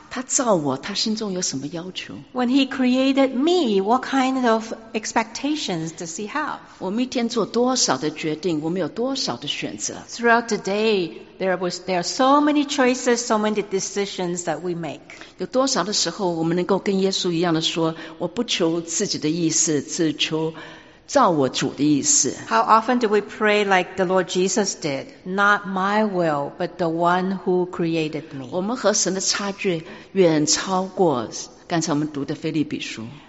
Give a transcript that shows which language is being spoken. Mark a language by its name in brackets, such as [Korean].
[Chinese] 他造我，他心中有什么要求？ [English] When he created me, what kind of expectations does he have? [Chinese] 我们一天做多少的决定，我们有多少的选择？ [English] Throughout the day, there are so many choices, so many decisions that we make. [Chinese] 有多少的时候，我们能够跟耶稣一样的说，我不求自己的意思，只求照我主的意思。 [English] How often do we pray like the Lord Jesus did? Not my will, but the one who created me. [Chinese] 我们和神的差距远超过刚才我们读的腓立比书。